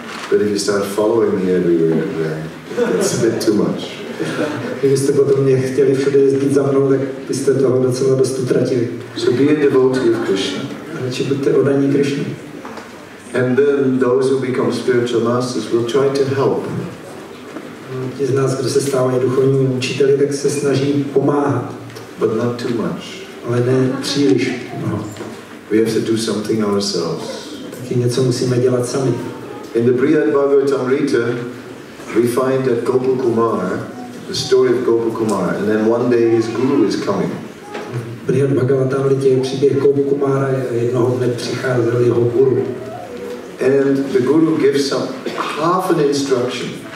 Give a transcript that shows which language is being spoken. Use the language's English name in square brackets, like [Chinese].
[English] But if you start following me everywhere, then it's a bit too much. [Czech] Kdybyste potom mě chtěli všude jezdit za mnou, tak byste toho docela dost utratili. [English] So be a devotee of Krishna. [Czech] Radši buďte oddaní Krishna. [English] And then those who become spiritual masters will try to help. [Czech] Ti z nás, kdo se stávají duchovními učiteli, tak se snaží pomáhat. [English] But not too much. [Czech] Ale ne příliš. No. [English] We have to do something ourselves. [Czech] Taky něco musíme dělat sami. [English] In the Brihad Bhagavatamrita, we find that Gopal Kumar, the story of Gopal Kumar, and then one day his guru is coming. [Czech] Brihad Bhagavatamrita je příběh Gopal Kumara, jednoho dne přicházel jeho guru. [English] And the guru gives some half an instruction.